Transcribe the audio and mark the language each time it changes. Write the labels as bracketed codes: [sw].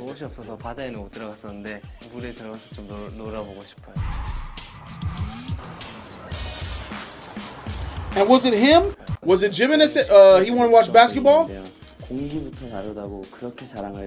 [ko] 다른 옷이 없어서 바다에는 못 들어갔었는데 물에 들어가서 좀 놀아보고 싶어요. [en] And was it him? Was it Jimin that said he wanted to watch basketball? Yeah. [ko] 공기부터 다르다고 그렇게 자랑을.